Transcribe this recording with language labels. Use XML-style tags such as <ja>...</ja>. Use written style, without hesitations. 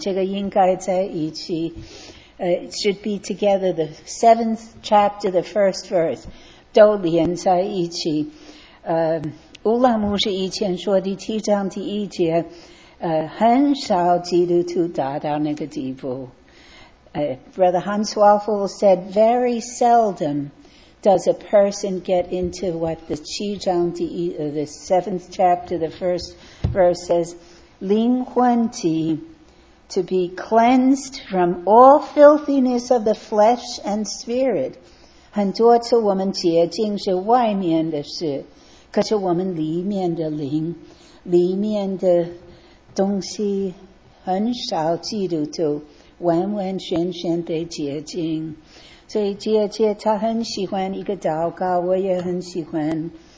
<zh>这个应该在一起。</zh> <en>It should be together, the seventh chapter, the first verse,</en> <zh>都连在一起。乌拉牧师以前说第七章第一节，很少基督徒达到那个地步。</zh> <en>Brother Hans Waffle said, very seldom does a person get into what the</en> <zh>七章第一,</zh> <en>the seventh chapter, the first verse says,</en> <zh>灵魂体,</zh> <en>to be cleansed from all filthiness of the flesh and spirit.</en> <zh>很多次我们洁净是外面的事，可是我们里面的灵，里面的东西，很少基督徒完完全全被洁净。所以姐姐她很喜欢一个祷告，我也很喜欢。</zh>